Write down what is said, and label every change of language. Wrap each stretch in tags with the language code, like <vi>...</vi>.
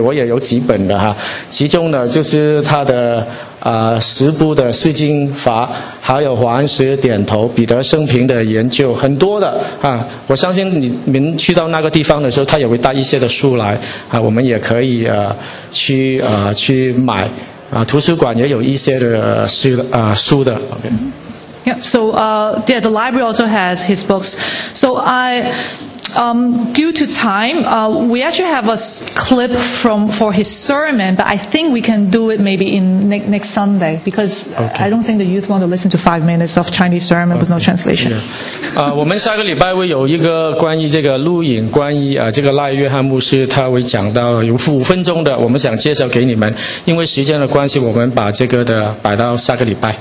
<zh>我也有几本的哈，其中呢就是他的十部的释经法，还有黄石点头、彼得生平的研究，很多的啊。我相信你们去到那个地方的时候，他也会带一些的书来啊，我们也可以去买啊，图书馆也有一些的书的。</zh> <en>Okay. Yep, so, the library also has his books. So, Due to time, we actually have a clip for his sermon, but I think we can do it maybe in next Sunday, because okay. I don't think the youth want to listen to 5 minutes of Chinese sermon okay. with no translation. Yeah.</en> <zh>我们下个礼拜会有一个关于这个录影，关于这个赖约翰牧师，他会讲到有5分钟的，我们想介绍给你们。因为时间的关系，我们把这个的摆到下个礼拜。</zh>